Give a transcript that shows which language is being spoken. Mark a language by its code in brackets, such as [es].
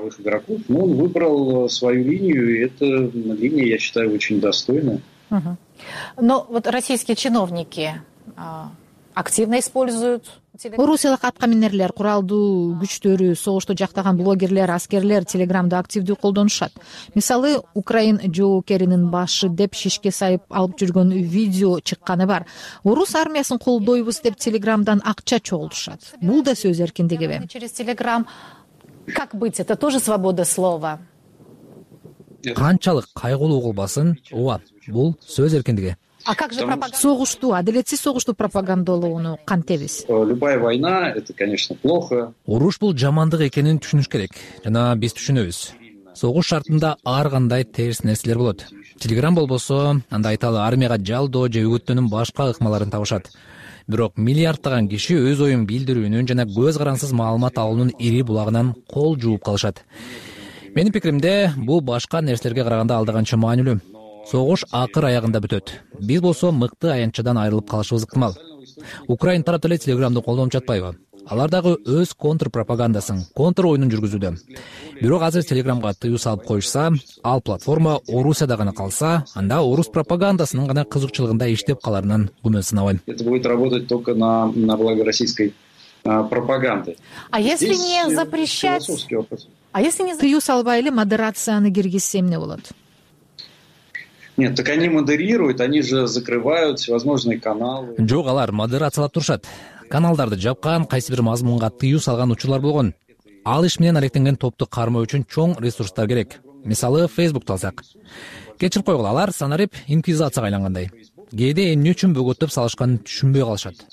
[ru] Он выбрал свою линию, и эта линия, я считаю, очень достойна. Но вот российские чиновники активно используют. [ky] Орусиялык аткаминерлер, куралдуу күчтөрү, согушту жактаган блогерлер, аскерлер телеграмды активдүү колдонушат. Мисалы, Украин Жоокеринин башы деп шишке сайып алып жүргөн видео чыкканы бар. Орус армиясын колдойбуз деп телеграмдан акча чогултушат. Бул да сөз эркиндигиби? [ru] Через телеграм как быть? Это тоже свобода слова. [ky] Канчалык кайгылуу болбосун, ооба, бул сөз эркиндиги. [ru] А как же пропаганда? [ky] Согушту, адилетсиз согушту пропагандалоону кантебиз? [ru] Любая война, это, конечно, плохо. [ky] Уруш бул жамандык экенин түшүнүш керек. Жана биз түшүнөбүз. Согуш шартында ар кандай терс нерселер болот. Телеграм болбосо, анда айталы армияга жалдоо же үгүттөнүн башка ыкмаларын табышат. Бирок миллиарддаган киши өз оюн билдирүүнүн жана көз карансыз маалымат алуунун ири булагынан кол жууп калышат. Менин пикиримде, бул башка нерселерге караганда алдыганча маанилүү. Согуш акыр аягында бүтөт. Биз болсо мыкты аянтчыдан айрылып калышыбыз ыктымал. Украин тарап деле телеграмды колдонуп жатпайбы? Алар дагы өз контрпропагандасын, контр оюнун жүргүзүүдө. Бирок азыр телеграмга тыюу салып коюшса, ал платформа Орусияда гана калса, анда орус пропагандасынын гана кызыкчылыгында иштеп каларынан күмөн сынабайм. [ru] Это будет работать только на благо российской пропаганды. А если не запрещать? А если не [ky] тыюу салбай эле модерацияны киргизсе эмне болот? [ru] Нет, так они модерируют, они же закрывают всевозможные каналы. [ky] Жок, алар модерациялап турушат. Каналдарды жапкан, кайсы бир мазмунга тыюу салган учурлар болгон. Ал иш менен аракеттенген топту кармоо үчүн чоң ресурстар керек. Мисалы, Facebook алсак. Кечирип койгула, алар санарип инквизацияга айлангандай. Кээде эмне үчүн бөгөттөп салышканын түшүнбөй калышат.